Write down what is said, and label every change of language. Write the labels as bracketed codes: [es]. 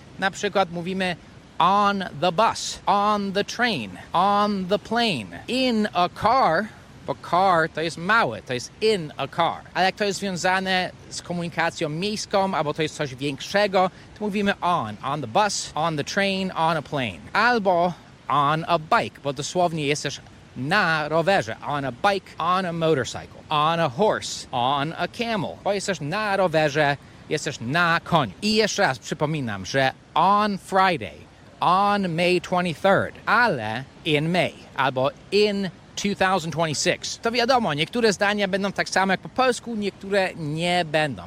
[pl] Na przykład mówimy [en] on the bus, on the train, on the plane, in a car. [pl] Bo car to jest małe, to jest [en] in a car. [pl] Ale jak to jest związane z komunikacją miejską, albo to jest coś większego, to mówimy [en] on the bus, on the train, on a plane. [pl] Albo [en] on a bike, [pl] bo dosłownie jesteś na rowerze. [en] On a bike, on a motorcycle, on a horse, on a camel. [pl] Bo jesteś na rowerze, jesteś na koniu. I jeszcze raz przypominam, że [en] on Friday, on May 23rd, [pl] ale [en] in May, [pl] albo [en] in 2026. [pl] To wiadomo, niektóre zdania będą tak samo jak po polsku, niektóre nie będą.